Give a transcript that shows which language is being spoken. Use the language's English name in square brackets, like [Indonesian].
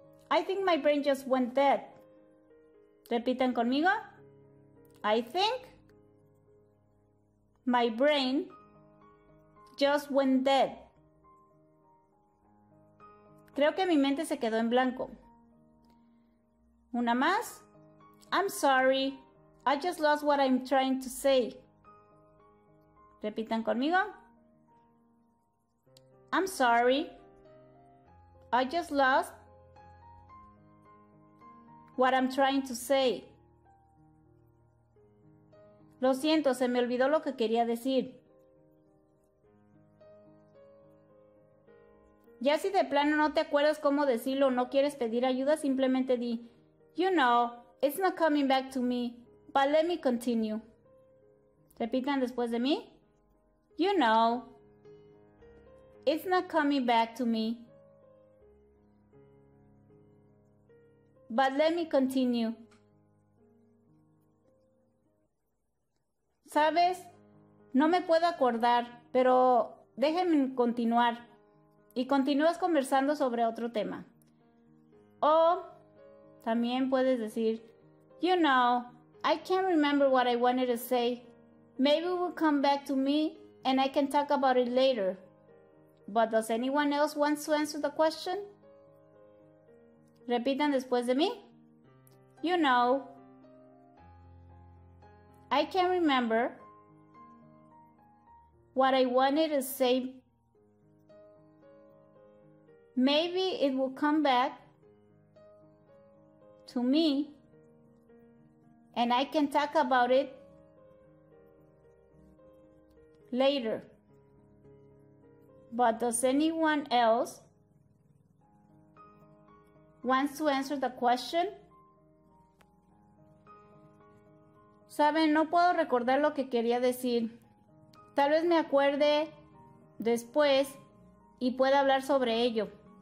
[English] I think my brain just went dead. [Spanish] Repitan conmigo. [English] I think my brain just went dead. [Spanish] Creo que mi mente se quedó en blanco. Una más. [English] I'm sorry. I just lost what I'm trying to say. [Spanish] Repitan conmigo. [English] I'm sorry. I just lost what I'm trying to say. [Spanish] Lo siento, se me olvidó lo que quería decir. Ya si de plano no te acuerdas cómo decirlo o no quieres pedir ayuda, simplemente di: [English] You know, it's not coming back to me, but let me continue. [Spanish] Repitan después de mí. [English] You know, it's not coming back to me, but let me continue. [Spanish] Sabes, no me puedo acordar, pero déjenme continuar. Y continúas conversando sobre otro tema. O también puedes decir, [English] You know, I can't remember what I wanted to say. Maybe it will come back to me and I can talk about it later. But does anyone else want to answer the question? [Spanish] Repitan después de mí. [English] You know, I can't remember what I wanted to say. Maybe it will come back to me and I can talk about it later. But does anyone else want to answer the question? [Spanish] Saben, no puedo recordar lo que quería decir. Tal vez me acuerde después y pueda hablar sobre ello.